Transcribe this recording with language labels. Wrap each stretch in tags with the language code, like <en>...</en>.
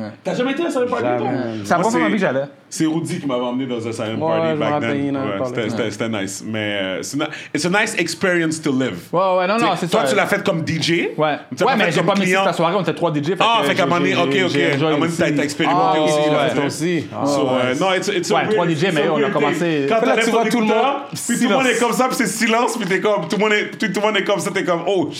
<fr>T'as jamais été à un silent party, toi? Ça prend pas envie que j'allais. C'est Rudy qui m'avait emmené dans un silent party back then. C'était nice.</fr> <en>Mais it's a nice experience to live.</en> <fr>Ouais, ouais, non, non, c'est ça. Toi, tu l'as fait comme DJ. Ouais. Ouais, mais j'ai pas mis ta soirée, on était trois DJ. Ah, fait qu'à un moment donné, ok, ok. À un moment donné, t'as expérimenté aussi. Ouais, aussi.</fr> <en>Non, it's a</en> <fr>ouais, trois DJ, mais on a commencé. Quand tu vois tout le monde, puis tout le monde est comme ça, puis c'est silence, puis t'es comme, tout le monde est comme ça, t'es comme, oh.</fr>